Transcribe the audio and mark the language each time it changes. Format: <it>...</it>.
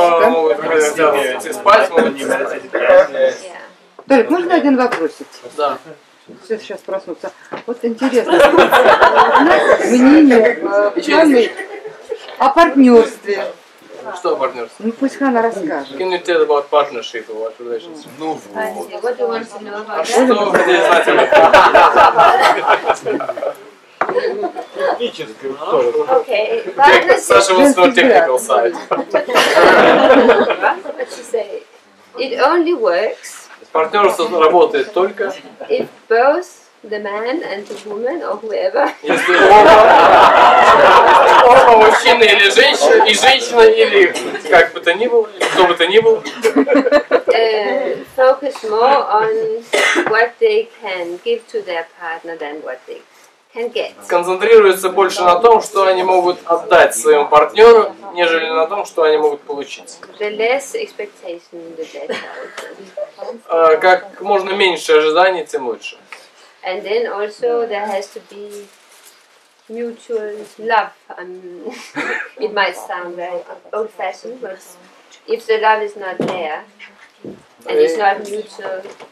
<ru>Те, кто могут идти спать, могут не спать. Толик, можно один вопрос? Да. Все сейчас проснутся. Вот интересно, мнение Ханы о партнерстве. Что о партнерстве? Ну пусть Хана расскажет.</ru> <en>Can you tell about partnership or what relations?</en> <ru>Ну вот. А что вы хотели знать?</ru> <en>Okay, but this Sasha was no technical side. What you say? It only works.</en> <ru>Партнерство работает только.</ru> <en>If both the man and the woman or whoever.</en> <ru>Если оба, оба мужчина или женщина и женщина или как бы то ни было, кто бы то ни был.</ru> <en>Focus more on what they can give to their partner than what they can get.</en> <ru>Концентрируется больше на том, что они могут отдать своему партнеру, нежели на том, что они могут получить.</ru> <en>The less expectation, the better.</en> <ru>Как можно меньше ожиданий, тем лучше.</ru> <en>And then also there has to be mutual love. It might sound very old-fashioned, but if the love is not there, and it's not mutual.</en>